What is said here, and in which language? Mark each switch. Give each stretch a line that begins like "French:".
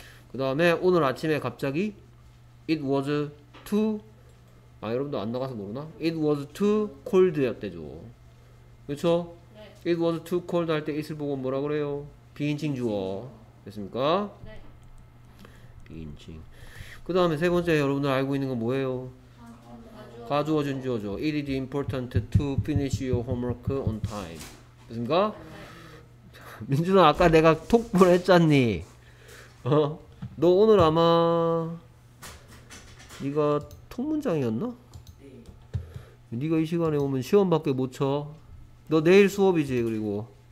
Korean: 그 다음에 오늘 아침에 갑자기
English: it was too
Korean: 아 여러분도 안 나가서 모르나?
English: it was too cold
Korean: 였대죠. 그렇죠. 네.
English: it was too cold
Korean: 할 때 it을 보고 뭐라 그래요? 비인칭 주어 됐습니까? 네. 비인칭. 그 다음에 세 번째 여러분들 알고 있는 건 뭐예요? 가주어 준주어죠.
English: It is important to finish your homework on time.
Korean: 무슨가? 민준아 아까 내가 톡 보냈잖니. 어? 너 오늘 아마 네가 톡 문장이었나? 네. 네가 이 시간에 오면 시험밖에 못 쳐. 너 내일 수업이지 그리고.